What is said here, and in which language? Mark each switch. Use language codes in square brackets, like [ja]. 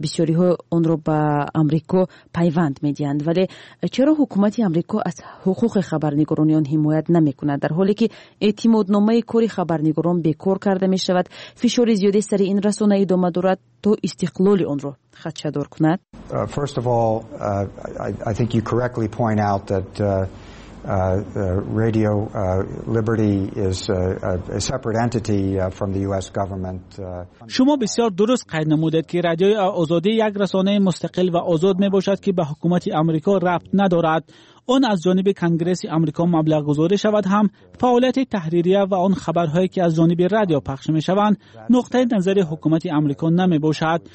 [fa] بسیاری ها آن را به آمریکا پیوند می دهند. ولی چرا حکومت آمریکا از حقوق خبرنگارانیان حمایت نمی کند؟ در حالی که اعتماد نامه کاری خبرنگاران بیکار کرده می شود، فشار زیادی سر این رسانه ادامه دارد تا استقلال آن را خدشه‌دار کند. [en] First of all, I think you correctly point out that Radio Liberty is a separate entity from the US government. [fa] شما بسیار درست قید نمودید که رادیو آزادی یک رسانه مستقل و آزاد میباشد که به حکومت آمریکا ربط ندارد. آن از جانب کنگرس آمریکا مبلغ گذاری شود، هم فعالیت تحریریه و آن خبرهایی که از جانب رادیو پخش می شوند نقطه نظر حکومت آمریکا نمی باشد.